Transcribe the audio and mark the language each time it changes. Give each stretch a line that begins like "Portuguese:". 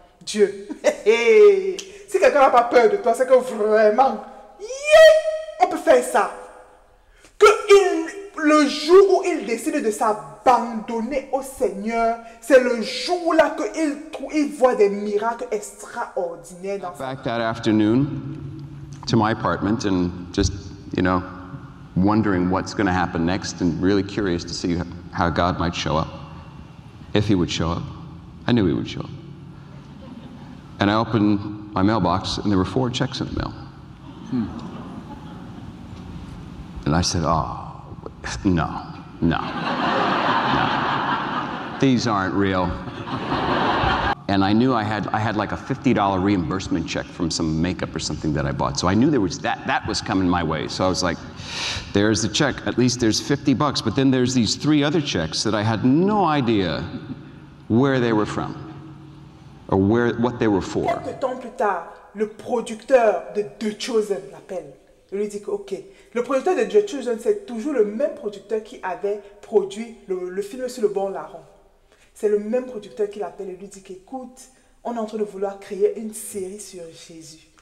French: Dieu, si quelqu'un n'a pas peur de toi, c'est que vraiment, on peut faire ça. Que le jour où il décide de s'abandonner au Seigneur, c'est le jour là que il voit des miracles extraordinaires. Dans
English: back that afternoon to my apartment and just, you know, wondering what's going to happen next and really curious to see how God might show up. If he would show up, I knew he would show up. And I opened my mailbox, and there were 4 checks in the mail. And I said, oh, no, no, no. These aren't real. And I knew I had like a $50 reimbursement check from some makeup or something that I bought. So I knew there was that was coming my way. So I was like, there's the check. At least there's $50. But then there's these 3 other checks that I had no idea where they were from. Or where, what they were for.
French: Quelques temps plus tard, le producteur de The Chosen l'appelle. Il lui dit que, ok. Le producteur de The Chosen, c'est toujours le même producteur qui avait produit le film sur le bon larron. C'est le même producteur qui l'appelle et lui dit qu'écoute, on est en train de vouloir créer une série sur Jésus.